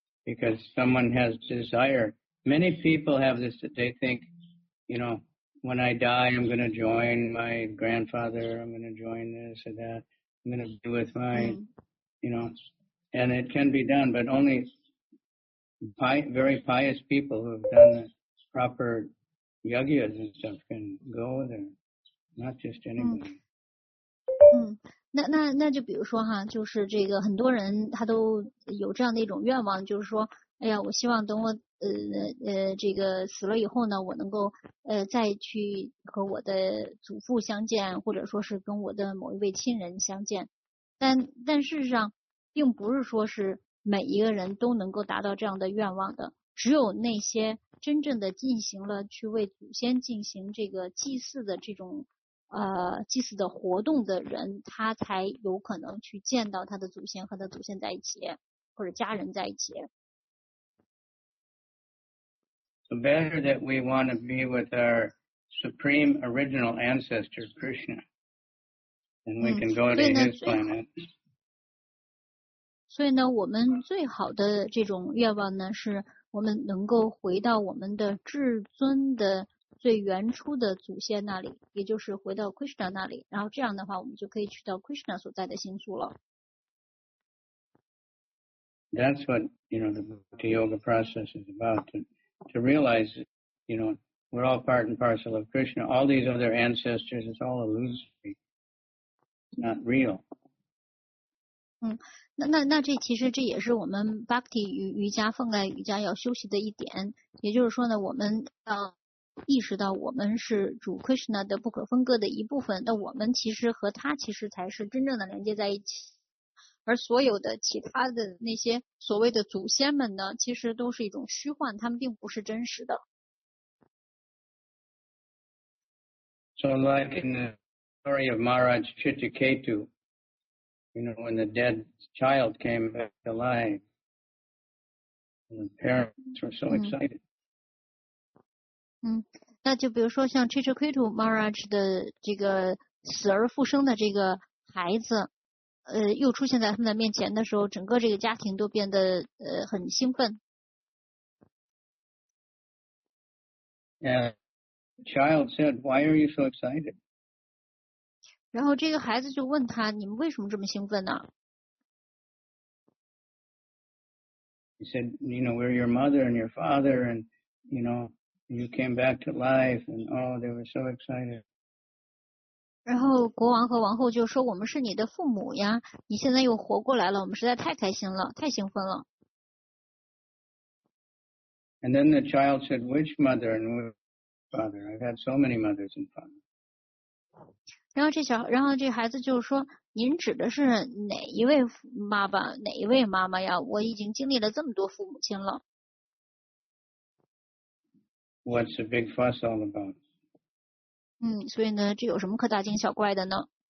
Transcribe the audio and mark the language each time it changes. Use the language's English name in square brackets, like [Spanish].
[English] Because someone has desire. Many people have this, that they think, you know, when I die, I'm going to join my grandfather, I'm going to join this or that, I'm going to be with my, you know,And it can be done, but only very pious people who have done the proper yagyas and stuff can go there, not just anyone. [Chinese] 那就比如说哈，就是这个很多人他都有这样的一种愿望，就是说，哎呀，我希望等我这个死了以后呢，我能够再去和我的祖父相见，或者说是跟我的某一位亲人相见。但事实上，并不是说是每一个人都能够达到这样的愿望的，只有那些真正的进行了去为祖先进行这个祭祀的这种祭祀的活动的人，他才有可能去见到他的祖先和他祖先在一起，或者家人在一起。 [English] the better that we want to be with our supreme original ancestor, Krishna, then we can go to his planet. [Chinese] 所以呢，我们最好的这种愿望呢，是我们能够回到我们的至尊的最原初的祖先那里，也就是回到 Krishna 那里，然后这样的话，我们就可以去到 Krishna 所在的星宿了。 [English] That's what you know the Bhakti Yoga process is about, to realize, you know, we're all part and parcel of Krishna. All these other ancestors, it's all illusory, not real. [Chinese] 那这其实这也是我们 Bhakti 瑜伽奉盖瑜伽要休息的一点，也就是说呢，我们要意识到我们是主 Krishna 的不可分割的一部分，那我们其实和他其实才是真正的连接在一起。而所有的其他的那些所谓的祖先们呢，其实都是一种虚幻，他们并不是真实的。 [English] So like in the story of Maharaj Chitraketu, you know, when the dead child came back alive, the parents were so excited. [Chinese] 那就比如说像 Chitraketu Maharaj 的这个死而复生的这个孩子。又出现在他们的面前的时候，整个这个家庭都变得很兴奋。 [English] Yeah, child said, "Why are you so excited?" [Chinese] 然后这个孩子就问他：“你们为什么这么兴奋呢？” [English] He said, "You know, we're your mother and your father, and you know, you came back to life, and oh, they were so excited." [Chinese] 然后国王和王后就说：“我们是你的父母呀，你现在又活过来了，我们实在太开心了，太兴奋了。” [English] And then the child said, "Which mother and which father? I've had so many mothers and fathers." [Chinese] 然后这孩子就说：“您指的是哪一位爸爸，哪一位妈妈呀？我已经经历了这么多父母亲了。” [English] What's the big fuss all about? [Chinese] 所以呢，这有什么可大惊小怪的呢？